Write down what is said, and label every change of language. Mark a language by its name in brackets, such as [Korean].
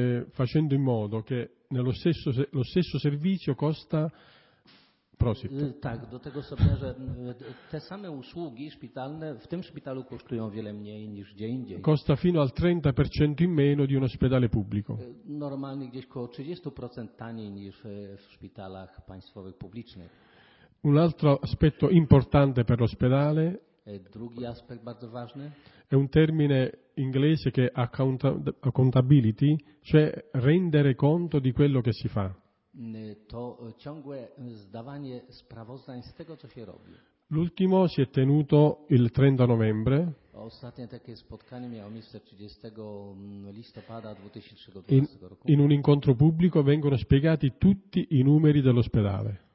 [Italian] facendo in modo che nello stesso servizio costa profit. [Polish] Tak, do tego stopnia, że te same usługi szpitalne w tym szpitalu kosztują wiele mniej niż gdzie indziej. [Italian] Costa fino al 30% in meno di un ospedale pubblico. [Polish] Normalnie gdzieś około 30% taniej niż w szpitalach państwowych publicznych. [Italian] Un altro aspetto importante per l'ospedale. [Polish] Drugi aspekt bardzo ważny. [Italian] È un termine inglese che accountability, cioè rendere conto di quello che si fa. [Polish] To ciągłe zdawanie sprawozdań z tego, co się robi. [Italian] L'ultimo si è tenuto il 30 novembre. [Polish] Ostatnie takie spotkanie miało miejsce 30 listopada 2012 roku. [Italian] In un incontro pubblico vengono spiegati tutti i numeri dell'ospedale.